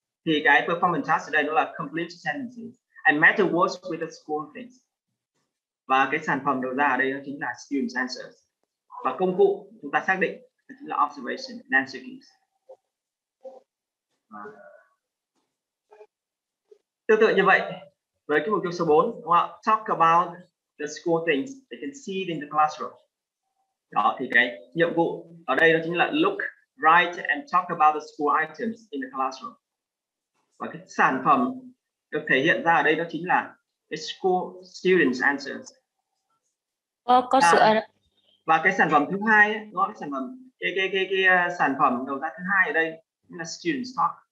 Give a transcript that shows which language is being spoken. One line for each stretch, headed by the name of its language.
Vietnamese: Thì cái
English: performance task
Vietnamese: ở đây nó là
English: complete sentences and matter words with the school things.
Vietnamese: Và cái sản phẩm đầu ra ở đây chính là
English: student answers.
Vietnamese: Và công cụ chúng ta xác định chính là
English: observation and answer keys.
Vietnamese: Tương tự như vậy, với cái mục tiêu số 4, đúng không ạ?
English: Talk about the school things they can see in the classroom.
Vietnamese: Đó, thì cái nhiệm vụ ở đây đó chính là
English: look, write and talk about the school items in the classroom.
Vietnamese: Và cái sản phẩm được thể hiện ra ở đây đó chính là
English: the school students answers.
Vietnamese: Và cái sản phẩm thứ hai ấy, đó, cái sản phẩm đầu ra thứ hai ở đây là
English: students talk.